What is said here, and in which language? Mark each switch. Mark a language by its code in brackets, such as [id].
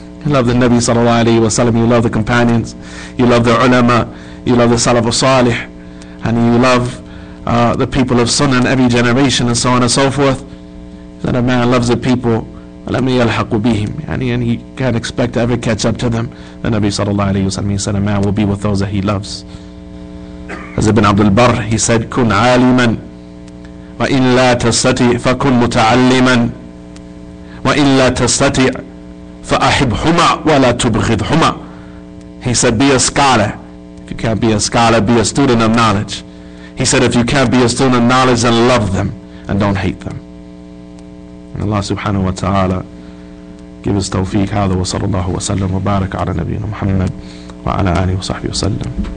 [en] You love the Nabi sallallahu alayhi wa sallam, you love the companions, you love the ulama, you love the salaf al-salih, and you love the people of sunnah in every generation, and so on and so forth. That a man loves the people, let me [ar] yalhaqu bihim, [en] and he can't expect to ever catch up to them. The Nabi sallallahu alayhi wa sallam, he said, a man will be with those that he loves. As Ibn Abdul Barr, he said, [ar] kun aliman, وإن لا تستطيع فكن متعلما وإن لا تستطيع فأحبهما ولا تبغضهما. [en] He said, be a scholar. If you can't be a scholar, be a student of knowledge. He said, if you can't be a student of knowledge, then love them and don't hate them. And Allah subhanahu wa ta'ala give us tawfiq. [ar] هذا وصلى الله وسلم وبارك على نبينا محمد وعلى آله وصحبه وسلم.